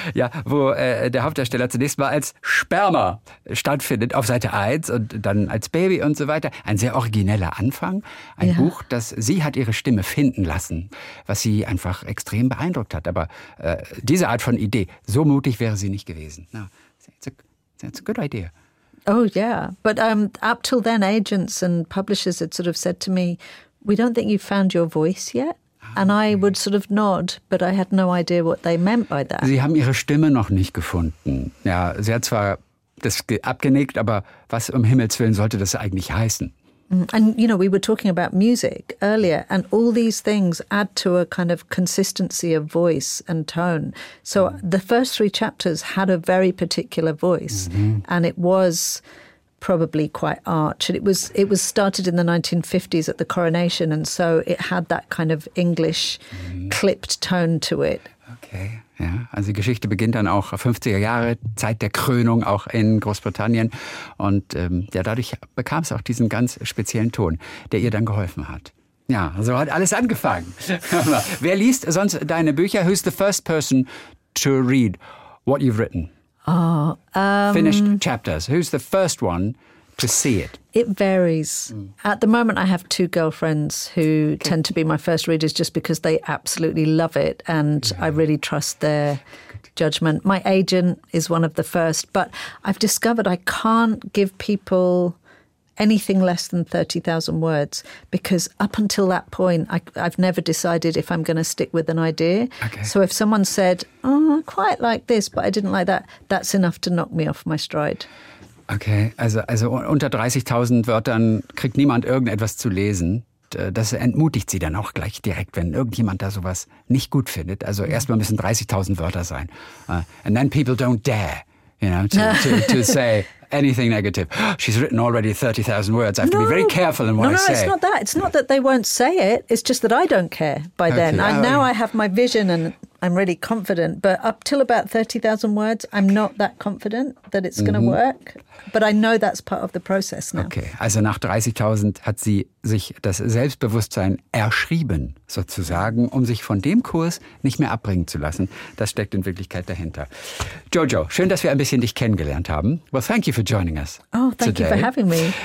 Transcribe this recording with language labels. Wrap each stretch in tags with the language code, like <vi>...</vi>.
<de>Ja, wo der Hauptdarsteller zunächst mal als Sperma stattfindet auf Seite 1 und dann als Baby und so weiter. Ein sehr origineller Anfang. Ein Buch, das sie hat ihre Stimme finden lassen, was sie einfach extrem beeindruckt hat. Aber diese Art von Idee, so mutig wäre sie nicht gewesen.</de> <en>No, it's a good idea. Oh yeah, but up till then agents and publishers had sort of said to me, we don't think you've found your voice yet. And I would sort of nod, but I had no idea what they meant by that. Sie haben ihre Stimme noch nicht gefunden. Ja, sie hat zwar das abgenickt, aber was um Himmels Willen sollte das eigentlich heißen? And, you know, we were talking about music earlier, and all these things add to a kind of consistency of voice and tone. So the first three chapters had a very particular voice, and it was probably quite arch. It was started in the 1950s at the coronation, and so it had that kind of English clipped tone to it.</en> <de>Okay, ja. Also die Geschichte beginnt dann auch 50er Jahre, Zeit der Krönung auch in Großbritannien. Und ja, dadurch bekam es auch diesen ganz speziellen Ton, der ihr dann geholfen hat. Ja, so hat alles angefangen. Wer liest sonst deine Bücher?</de> <en>Who's the first person to read what you've written? Finished chapters. Who's the first one to see it? It varies. At the moment, I have two girlfriends who tend to be my first readers just because they absolutely love it and I really trust their judgment. My agent is one of the first, but I've discovered I can't give people anything less than 30,000 words, because up until that point, I've never decided if I'm going to stick with an idea. Okay. So if someone said, oh, I quite like this, but I didn't like that, that's enough to knock me off my stride.</en> <de>Okay, also unter 30,000 Wörtern kriegt niemand irgendetwas zu lesen. Das entmutigt sie dann auch gleich direkt, wenn irgendjemand da sowas nicht gut findet. Also erstmal müssen 30,000 Wörter sein.</de> <en>And then people don't dare, you know, to say anything negative. She's written already 30,000 words. I have to be very careful in what I say. No, it's not that. It's not that they won't say it. It's just that I don't care by then. Okay. I have my vision and I'm really confident. But up till about 30,000 words, I'm not that confident that it's going to work. But I know that's part of the process now.</en> <de>Okay, also nach 30,000 hat sie sich das Selbstbewusstsein erschrieben, sozusagen, um sich von dem Kurs nicht mehr abbringen zu lassen. Das steckt in Wirklichkeit dahinter. Jojo, schön, dass wir ein bisschen dich kennengelernt haben.</de> <en>Well, thank you for joining us. Oh, thank today. You for having me.</en>